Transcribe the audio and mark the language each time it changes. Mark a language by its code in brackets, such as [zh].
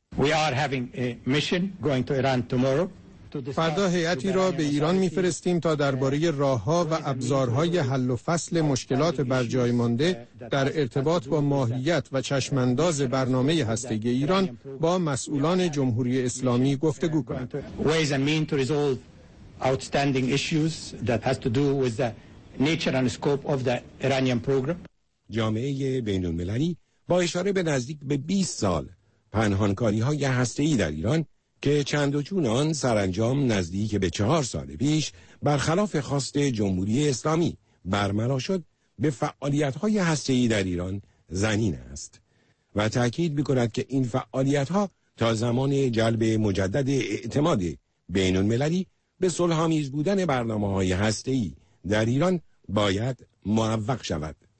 [en] We are having a mission going to Iran tomorrow. [fa] فردا هیئتی را به ایران می‌فرستیم تا درباره راه‌ها و ابزارهای حل و فصل مشکلات برجای مانده در ارتباط با ماهیت و چشم‌انداز برنامه هسته‌ای ایران با مسئولان جمهوری اسلامی گفتگو کنیم. [en] Ways and means to resolve outstanding issues that has to do with the nature and scope of the Iranian program. [fa] جامعه بین‌المللی با اشاره به نزدیک به 20 سال پنهانکاری‌های هسته‌ای در ایران که چند و چون آن سرانجام نزدیک به 4 سال پیش برخلاف خواست جمهوری اسلامی برملا شد، به فعالیت‌های هسته‌ای در ایران زمین است و تأکید می‌کند که این فعالیت‌ها تا زمان جلب مجدد اعتماد بین‌المللی به صلح‌آمیز بودن برنامه‌های هسته‌ای در ایران باید موفق شود.